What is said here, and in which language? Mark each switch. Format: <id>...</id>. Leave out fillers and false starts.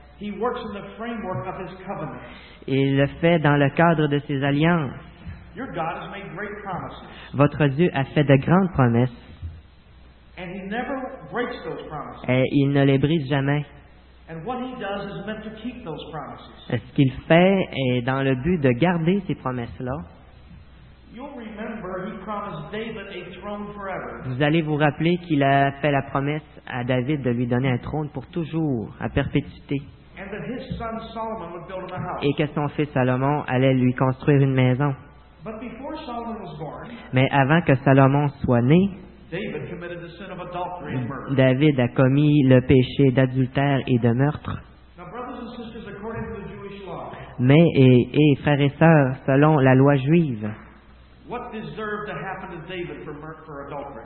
<en>he works in the framework of his covenant.</en> <fr>Il le fait dans le cadre de ses alliances.</fr> <en>Your God has made great promises.</en> <fr>Votre Dieu a fait de grandes promesses.</fr> <en>And he never breaks those promises.</en> <fr>Et il ne les brise jamais.</fr> <en>And what he does is meant to keep those promises.</en> <fr>Et ce qu'il fait est dans le but de garder ces promesses-là.</fr> <en>You'll remember he promised David a throne forever.</en> <fr>Vous allez vous rappeler qu'il a fait la promesse à David de lui donner un trône pour toujours, à perpétuité.</fr> <en>And that his son Solomon would build him a house.</en> <fr>Et que son fils Salomon allait lui construire une maison.</fr> <en>But before Solomon was born,</en> <fr>mais avant que Salomon soit né,</fr> <en>David committed the sin of adultery and murder.</en> <fr>David a commis le péché d'adultère et de meurtre.</fr> <en>Now, brothers and sisters, according to the Jewish law,</en> <fr>mais, et frères et sœurs, selon la loi juive,</fr> <en>what deserved to happen to David for adultery?</en>